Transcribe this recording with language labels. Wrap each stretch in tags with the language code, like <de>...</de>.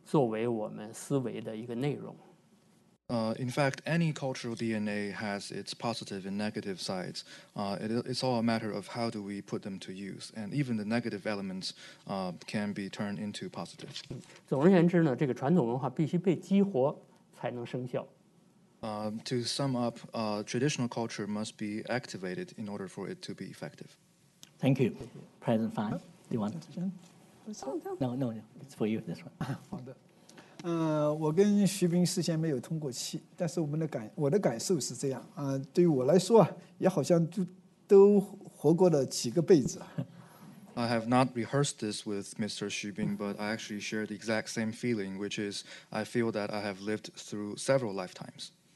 <zh>其实任何文化基因其实都带有优质和弊病的部分，就看你怎么样使用，以及它的弊病的部分呢，也可以作为我们思维的一个内容。</zh> <en>In fact, any cultural DNA has its positive and negative sides. It's all a matter of how do we put them to use, and even the negative elements can be turned into positive.</en> <zh>总而言之呢，这个传统文化必须被激活才能生效。</zh> <en>To sum up, traditional culture must be activated in order for it to be effective. Thank you, President Fan. Do you want to? No, it's for you, this one.</en> <zh>我跟徐斌事先没有通过气，但是我的感受是这样。对于我来说，也好像都活过了几个辈子。</zh> <en>I have not rehearsed this with Mr. Xu Bing, but I actually share the exact same feeling, which is I feel that I have lived through several lifetimes.</en>